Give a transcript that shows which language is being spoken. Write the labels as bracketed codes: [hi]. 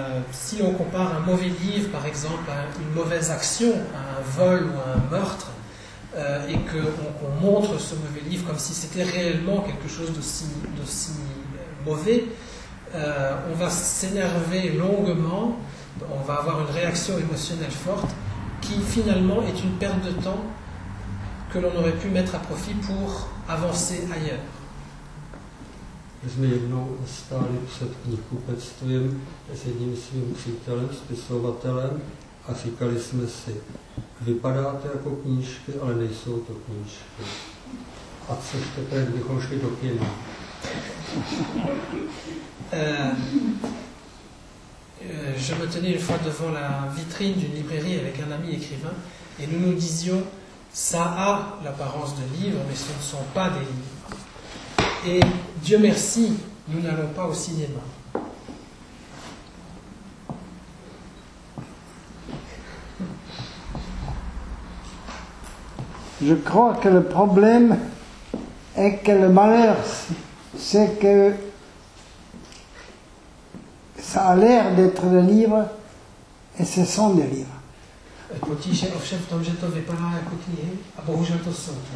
[fr] Si on compare un mauvais livre, par exemple, à une mauvaise action, à un vol ou à un meurtre, et qu'on montre ce mauvais livre comme si c'était réellement quelque chose d'aussi mauvais, on va s'énerver longuement, on va avoir une réaction émotionnelle forte, qui finalement est une perte de temps que l'on aurait pu mettre à profit pour avancer ailleurs. [cs] My jsme jednou stáli před knihkupectvím s jedním svým přítelem, spisovatelem, a říkali jsme si, vypadá to jako knížky, ale nejsou to knížky. A což teprve, kdybychom šli do kina. [fr] Je me tenais une fois devant la vitrine d'une librairie avec un ami écrivain, et nous nous disions, ça a l'apparence de livres, mais ce ne sont pas des livres. Et Dieu merci, nous n'allons pas au cinéma. Je crois que le problème Et quel malheur, c'est que ça a l'air d'être des livres et ce sont des livres. [cs] Potíž je ovšem v tom, že to vypadá jako knihy a bohužel to jsou.